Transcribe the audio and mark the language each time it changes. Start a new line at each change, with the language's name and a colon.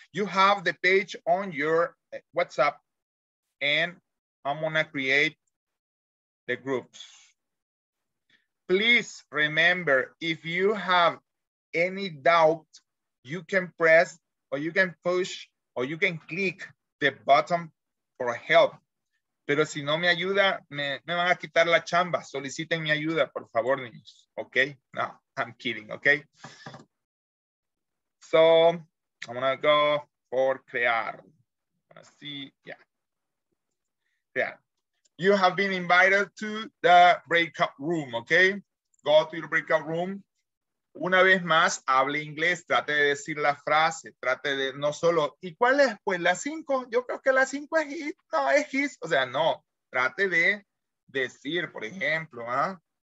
English: You have the page on your WhatsApp, and I'm gonna create the groups. Please remember, if you have any doubt, you can press, or you can push, or you can click the button for help.
Spanish: Pero si no me ayuda, me van a quitar la chamba. Soliciten mi ayuda, por favor, niños.
English: Okay? No, I'm kidding, okay? So, I'm gonna go for crear. Let's see, yeah. Yeah. You have been invited to the breakout room, okay? Go to your breakout room.
Spanish: Una vez más, hable inglés, trate de decir la frase, trate de no solo, ¿y cuál es? Pues la 5, yo creo que la 5 es his, no, es his, o sea, no, trate de decir, por ejemplo, ¿eh?